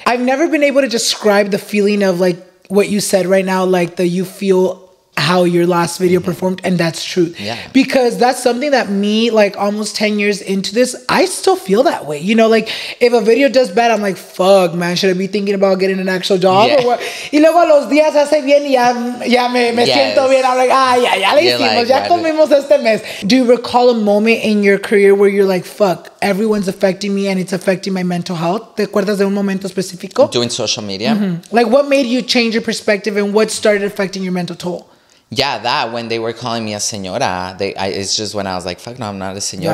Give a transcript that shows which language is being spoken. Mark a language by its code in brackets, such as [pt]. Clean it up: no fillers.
[en] I've never been able to describe the feeling of, like, what you said right now, like, the you feel how your last video performed, and that's true. Yeah. Because that's something that me, like, almost 10 years into this, I still feel that way. You know, like, if a video does bad, I'm like, fuck, man, should I be thinking about getting an actual job or what? [es] Y luego los días hace bien y ya me siento bien. [en] I'm like, [es] ah, ya, ya le hicimos, like, ya comimos este mes. [en] Do you recall a moment in your career where you're like, fuck, everyone's affecting me and it's affecting my mental health? [es] ¿Te acuerdas de un momento específico? [en] Doing social media. Mm-hmm. Like, what made you change your perspective and what started affecting your mental toll? Yeah, that when they were calling me a señora, it's just when I was like, fuck no, I'm not a señora.